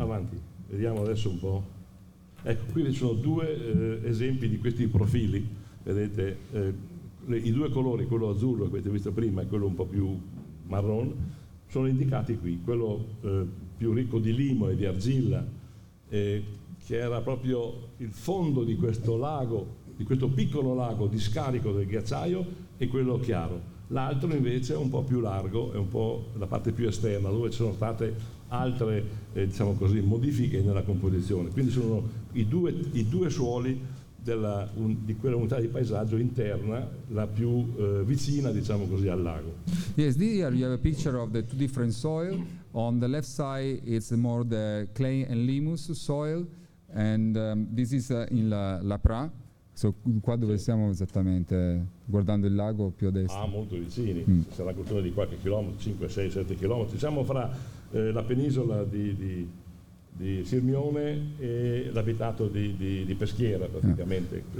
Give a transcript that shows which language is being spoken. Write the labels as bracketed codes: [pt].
[it] Avanti, vediamo adesso un po'. Ecco, qui ci sono due esempi di questi profili. Vedete i due colori, quello azzurro che avete visto prima e quello un po' più marrone, sono indicati qui. Quello più ricco di limo e di argilla, che era proprio il fondo di questo lago, di questo piccolo lago di scarico del ghiacciaio, e quello chiaro. L'altro invece è un po' più largo, è un po' la parte più esterna, dove ci sono state altre, diciamo così, modifiche nella composizione. Quindi sono i due suoli di quella unità di paesaggio interna, la più vicina, diciamo così, al lago. [en] Yes, here you have a picture of the two different soil. On the left side it's more the clay and limus soil, and this is in La Pra. [it] So qua dove siamo esattamente, guardando il lago più a destra. Ah, molto vicini, c'è la questione di qualche chilometro, 5, 6, 7 chilometri. Siamo fra la penisola di Sirmione e l'abitato di Peschiera, praticamente. Ah.